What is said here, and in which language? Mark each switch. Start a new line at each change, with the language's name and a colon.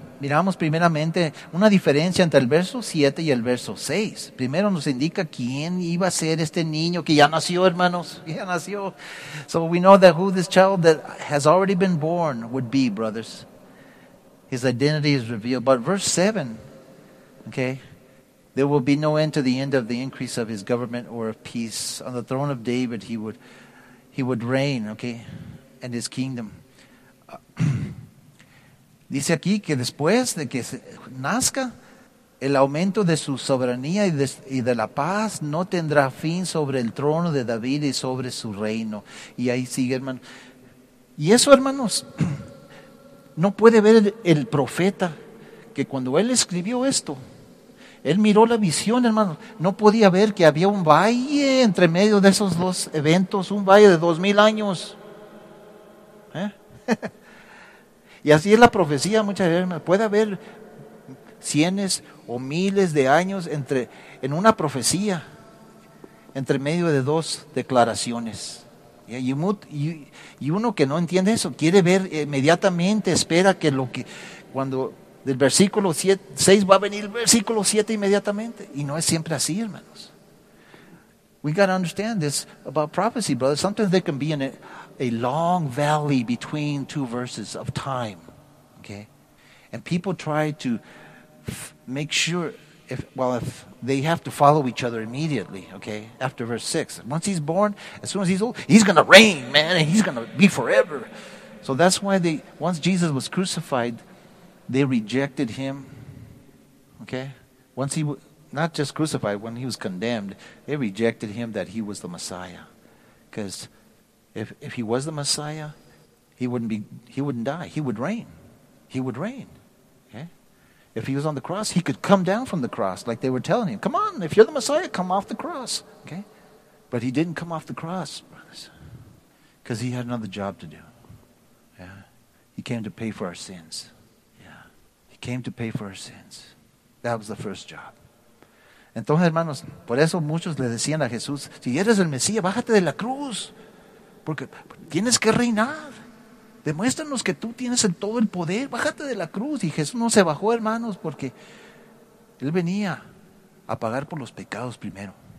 Spanish: Miramos primeramente una diferencia entre el verso 7 y el verso 6. Primero nos indica quién iba a ser este niño que ya nació, hermanos. Ya nació.
English: So we know that who this child that has already been born would be, brothers. His identity is revealed. But verse 7, okay, there will be no end to the end of the increase of his government or of peace. On the throne of David, he would reign, okay, and his kingdom.
Spanish: Dice aquí que después de que nazca, el aumento de su soberanía y de la paz no tendrá fin sobre el trono de David y sobre su reino. Y ahí sigue, hermano. Y eso, hermanos, no puede ver el profeta que cuando él escribió esto, él miró la visión, hermano. No podía ver que había un valle entre medio de esos dos eventos, un valle de 2,000 años. ¿Eh? Y así es la profecía muchas veces. Puede haber cientos o miles de años en una profecía, entre medio de dos declaraciones. Y uno que no entiende eso, quiere ver inmediatamente, espera que lo que cuando del versículo 6 va a venir el versículo 7 inmediatamente. Y no es siempre así, hermanos.
English: We got to understand this about prophecy, brother. Sometimes there can be a long valley between two verses of time. Okay? And people try to make sure if they have to follow each other immediately, okay, after verse 6. Once he's born, as soon as he's old, he's going to reign, man, and he's going to be forever. So that's why once Jesus was crucified, they rejected him, okay? Once he not just crucified, when he was condemned, they rejected him that he was the Messiah. Because if he was the Messiah, he wouldn't die. He would reign. If he was on the cross, he could come down from the cross like they were telling him. Come on, if you're the Messiah, come off the cross. Okay, but he didn't come off the cross, brothers, because he had another job to do. Yeah, he came to pay for our sins. Yeah, he came to pay for our sins. That was the first job.
Spanish: Entonces, hermanos, por eso muchos le decían a Jesús, si eres el Mesías, bájate de la cruz, porque tienes que reinar. Demuéstranos que tú tienes todo el poder. Bájate de la cruz. Y Jesús no se bajó, hermanos, porque Él venía a pagar por los pecados primero.